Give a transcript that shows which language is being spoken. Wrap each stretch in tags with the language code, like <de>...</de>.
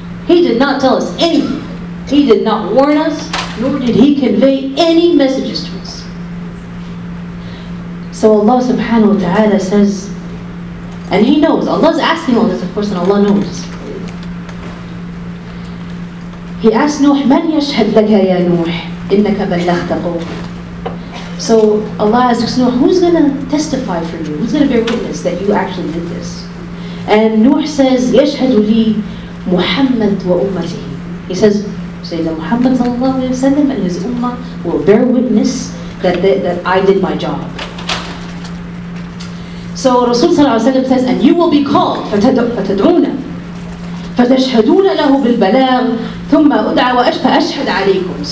<en>He did not tell us anything. He did not warn us, nor did he convey any messages to us. So Allah subhanahu wa ta'ala says, and he knows, Allah's asking all this, of course, and Allah knows. He asked Nuh,</en> <ar>مَنْ يَشْهَدْ لَكَ يَا نُوح إِنَّكَ بَلَّغْتَ قَوْمَكَ.</ar> <en>So Allah asks Nuh, who's going to testify for you? Who's going to bear witness that you actually did this? And Nuh says,</en> <ar>يَشْهَدُ لِي مُحَمَّدْ وَأُمَّتِهِ.</ar> <en>He says, Sayyidina Muhammad sallallahu alayhi wa sallam and his ummah will bear witness that I did my job. So Rasul sallallahu alayhi wa sallam says, and you will be called,</en> <ar>فَتَدْعُونَ فَتَشْهَدُونَ لَهُ بِالْبَلَاغِ ثُمَّ أُدْعَى وَأَشْفَ أَشْهَدْ عَلَيْكُمْ.</ar>